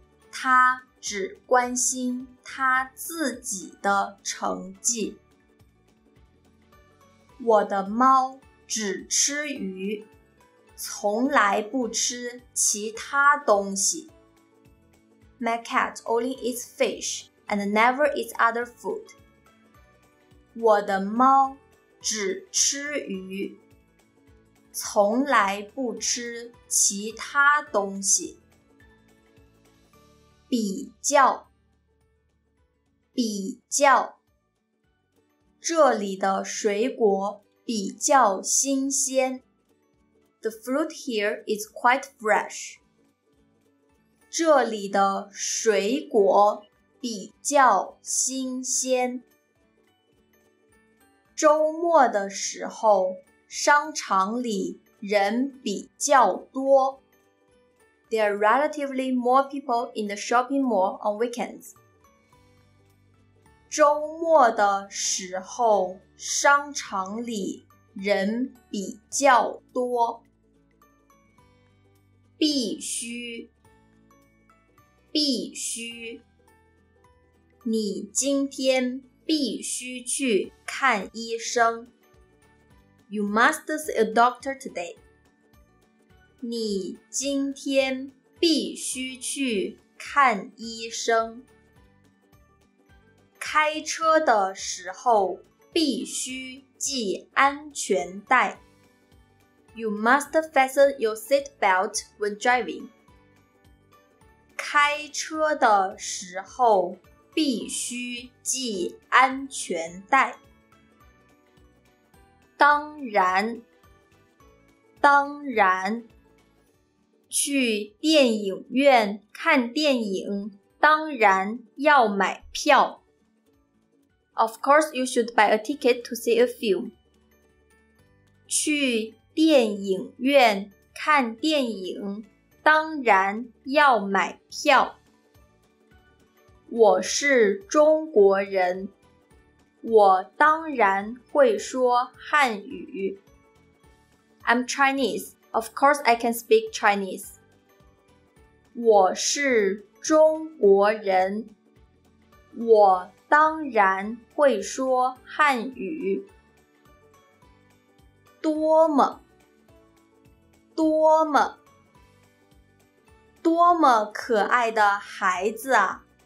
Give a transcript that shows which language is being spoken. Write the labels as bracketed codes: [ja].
[zh] 他只关心他自己的成绩。我的猫只吃鱼，从来不吃其他东西。 [en] My cat only eats fish and never eats other food. [zh] 我的猫只吃鱼。从来不吃其他东西。比较，比较，这里的水果比较新鲜。 [en] The fruit here is quite fresh. [zh] 这里的水果比较新鲜。周末的时候商场里人比较多。 [en] There are relatively more people in the shopping mall on weekends. [zh] 周末的时候商场里人比较多。必须，必须，你今天必须去看医生。 [en] You must see a doctor today. [zh] 你今天必须去看医生。开车的时候必须系安全带。 [en] You must fasten your seat belt when driving. [zh] 开车的时候必须系安全带。当然，当然，去电影院看电影当然要买票。 [en] Of course, you should buy a ticket to see a film. [zh] 去电影院看电影当然要买票。我是中国人，我当然会说汉语。 [en] I'm Chinese, of course I can speak Chinese. [zh] 我是中国人，我当然会说汉语。多么，多么，多么可爱的孩子啊！